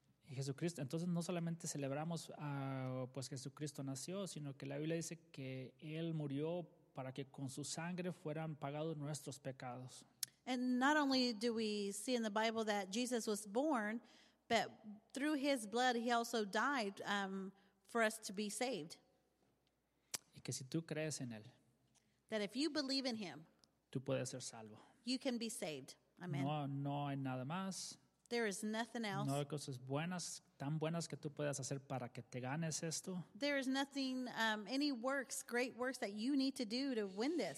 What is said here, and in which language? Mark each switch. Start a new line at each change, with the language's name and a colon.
Spanish: Y Jesucristo, entonces no solamente celebramos pues Jesucristo nació, sino que la Biblia dice que Él murió para que con su sangre fueran pagados nuestros pecados.
English: And not only do we see in the Bible that Jesus was born, but through His blood He also died for us to be saved.
Spanish: Y que si tú crees en Él,
English: that if you believe in Him,
Spanish: tú puedes ser salvo.
English: You can be saved. Amen.
Spanish: No hay nada más.
English: There is nothing else.
Spanish: No hay cosas buenas, tan buenas que tú puedas hacer para que te ganes esto.
English: There is nothing, any works, great works that you need to do to win this.